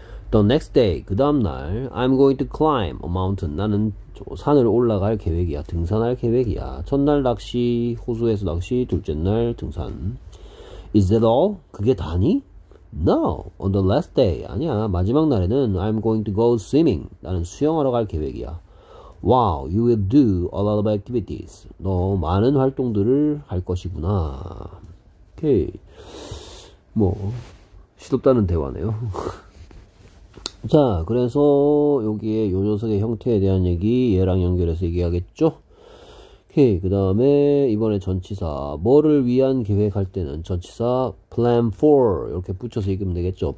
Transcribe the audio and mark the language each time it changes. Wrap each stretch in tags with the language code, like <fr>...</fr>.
<en>The next day,</en> <ko>그 다음날</ko> <en>I'm going to climb a mountain.</en> <ko>나는 산을 올라갈 계획이야. 등산할 계획이야. 첫날 낚시, 호수에서 낚시, 둘째 날 등산.</ko> <en>Is that all?</en> <ko>그게 다니?</ko> <en>No, on the last day.</en> <ko>아니야, 마지막 날에는</ko> <en>I'm going to go swimming.</en> <ko>나는 수영하러 갈 계획이야.</ko> <en>Wow, you will do a lot of activities.</en> <ko>너 많은 활동들을 할 것이구나. Okay. 뭐, 시덥다는 대화네요. 자, 그래서 여기에 요 녀석의 형태에 대한 얘기 얘랑 연결해서 얘기하겠죠? 오케이, 그 다음에 이번에 전치사 뭐를 위한 계획할 때는 전치사 plan for 이렇게 붙여서 읽으면 되겠죠.</ko>